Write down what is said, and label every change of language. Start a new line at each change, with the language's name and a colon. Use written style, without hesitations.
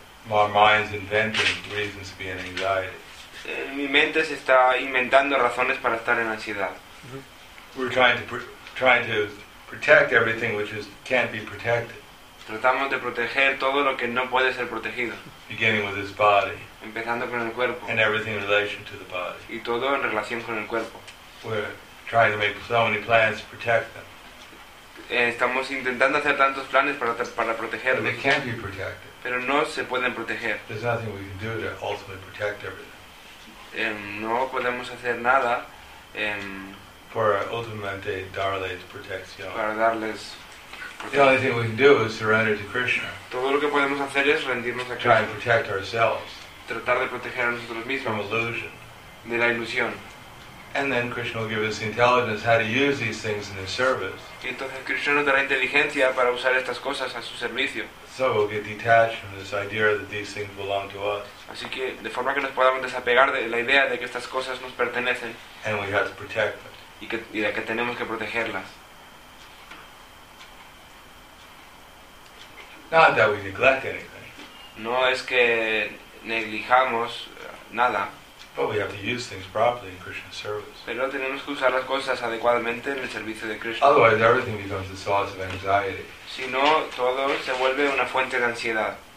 English: Our minds inventing reasons to be in anxiety.
Spanish: Mi mente se está inventando razones para estar en ansiedad. Mm-hmm.
English: We're trying to protect everything which is can't be protected.
Spanish: Tratamos de proteger todo lo que no puede ser protegido.
English: Beginning with this body.
Spanish: Empezando con el cuerpo.
English: And everything in relation to the body.
Spanish: Y todo en relación con el cuerpo.
English: We're trying to make so many plans to protect them.
Spanish: Estamos intentando hacer tantos planes para protegerlos.
English: But they can't be protected.
Spanish: Pero no se pueden proteger.
English: There's nothing we can do to ultimately protect everything.
Spanish: No podemos hacer nada
English: for ultimately
Spanish: darles protección. Para darles protección.
English: The only thing we can do is surrender to Krishna.
Spanish: Todo lo que podemos hacer es rendirnos a Krishna.
English: Try and protect ourselves.
Spanish: Tratar de proteger a nosotros mismos.
English: From illusion.
Spanish: De la ilusión.
English: And then Krishna will give us the intelligence how to use these things in his service.
Spanish: Y entonces Krishna nos dará inteligencia para usar estas cosas a su servicio.
English: So we'll get detached from this idea that these things belong to us.
Spanish: Así que de forma que nos podamos desapegar de la idea de que estas cosas nos pertenecen.
English: And we have to protect them.
Spanish: Y de que tenemos que protegerlas.
English: Not that we neglect anything.
Spanish: No es que neglijamos nada.
English: But we have to use things properly in Krishna's service.
Spanish: Pero tenemos que usar las cosas adecuadamente en el servicio de Krishna.
English: Otherwise, everything becomes a source of anxiety.
Spanish: Si no, todo se vuelve una fuente de ansiedad.